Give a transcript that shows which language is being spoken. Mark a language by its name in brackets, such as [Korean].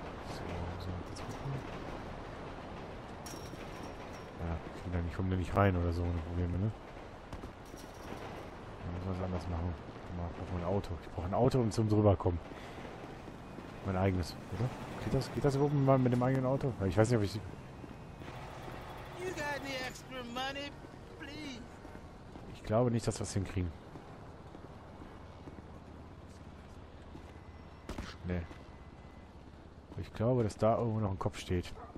[German] So, sind wir jetzt gucken. Ja, ich komme da nicht rein oder so, ohne Probleme, ne? Dann müssen wir es anders machen. Ich brauche ein Auto. Ich brauche ein Auto, um zum drüber kommen. Mein eigenes, oder? Geht das oben mal mit dem eigenen Auto? Ich weiß nicht, ob ich. [English] You got any extra money, please? [German] Ich glaube nicht, dass wir es hinkriegen. Schnell. Ich glaube, dass da irgendwo noch ein Kopf steht.